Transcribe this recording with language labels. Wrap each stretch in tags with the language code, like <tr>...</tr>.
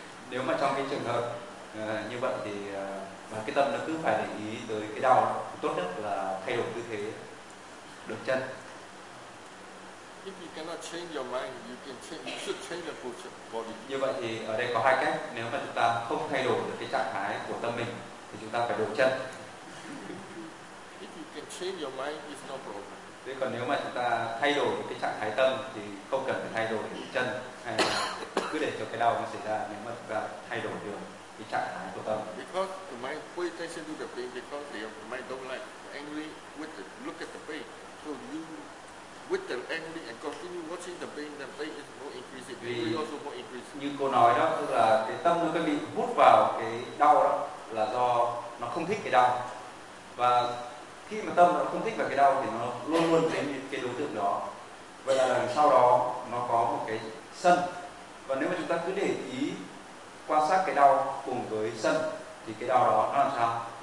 <vi>Nếu mà trong cái trường hợp như vậy thì mà cái tâm nó cứ phải để ý tới cái đau, tốt nhất là thay đổi tư thế được chân.</vi> <en>If you cannot change your mind, you can change, you should change the body.</en> <vi>Như vậy thì ở đây có hai cách. Nếu mà chúng ta không thay đổi được cái trạng thái của tâm mình thì chúng ta phải đổi chân.</vi> <en>If you can change your mind, it's no problem.</en> <vi>Thế còn nếu mà chúng ta thay đổi cái trạng thái tâm thì không cần phải thay đổi cái chân, hay là cứ để cho cái đau nó xảy ra, nếu mà chúng ta thay đổi được cái trạng thái của tâm.</vi> <en>Because the mind pay attention to the pain, because the mind don't like angry with it, look at the pain. So you with the angry and continue watching the pain, the pain is more increasing.</en> <vi>Vì</vi> <en>also more increasing.</en> <vi>Như cô nói đó, tức là cái tâm nó cứ bị hút vào cái đau đó là do nó không thích cái đau. Và khi mà tâm nó không thích vào cái đau thì nó luôn luôn đến cái đối tượng đó. Vậy là đằng sau đó nó có một cái sân. Và nếu mà chúng ta cứ để ý quan sát cái đau cùng với sân thì cái đau đó nó làm sao?</vi>